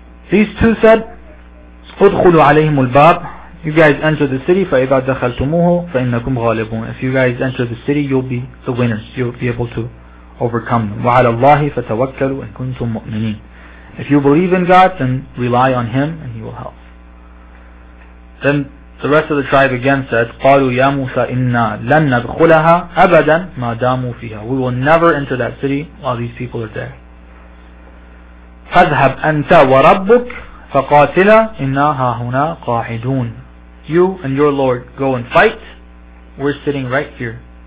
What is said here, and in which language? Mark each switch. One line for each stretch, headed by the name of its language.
English: These two said,
Arabic: "Udkhulu alayhim al-bab."
English: You guys enter the city.
Arabic: فَإِذَا دَخَلْتُمُوهُ فَإِنَّكُمْ غَالِبُونَ.
English: If you guys enter the city, you'll be the winners. You'll be able to overcome them.
Arabic: وَعَلَى اللَّهِ فَتَوَكَّلُوا إِن كُنْتُمْ مُؤْمِنِينَ.
English: If you believe in God, then rely on Him and He will help. Then the rest of the tribe again said,
Arabic: قَالُوا يَا مُوسَىٰ إِنَّا لَن نَدْخُلَهَا أَبَدًا مَا دَامُوا فِيهَا.
English: We will never enter that city while these people are there.
Arabic: فَذْهَبْ أَنْتَ وَرَبُّكَ فَقَاتِلَا إِنَّا هَاهُنَا قَاعِدُونَ.
English: You and your Lord go and fight. We're sitting right here.